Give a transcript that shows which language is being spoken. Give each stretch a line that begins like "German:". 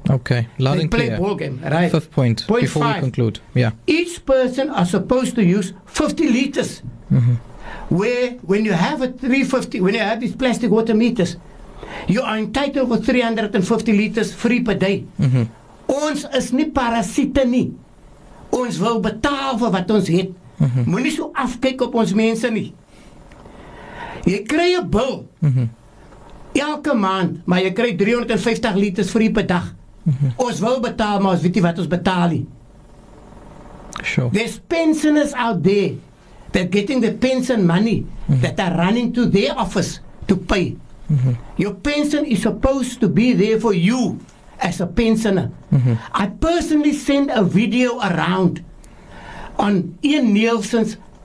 English: Okay, loud they and play clear. Ball game, right? Fifth point. Point before five. We conclude, yeah. Each person are supposed to use 50 liters. Mm-hmm. Where when you have a 350, when you have these plastic water meters, you are entitled for 350 liters free per day. Mm-hmm.
Afrikaans: Ons is nie parasiete nie. Ons wil betaal vir wat ons het. Mm-hmm. Moenie so afkyk op ons mense nie. Jy kry 'n bil. Mm-hmm. Elke maand, maar jy kry 350 liters vir jy per dag. Mm-hmm. Ons wil betaal, maar ons weet nie wat ons betaal nie.
English: Sure. There's pensioners out there. They're getting the pension money mm-hmm. that are running to their office to pay. Mm-hmm. Your pension is supposed to be there for you as a pensioner. Mm-hmm. I personally sent a video around on Ian Nielsen's.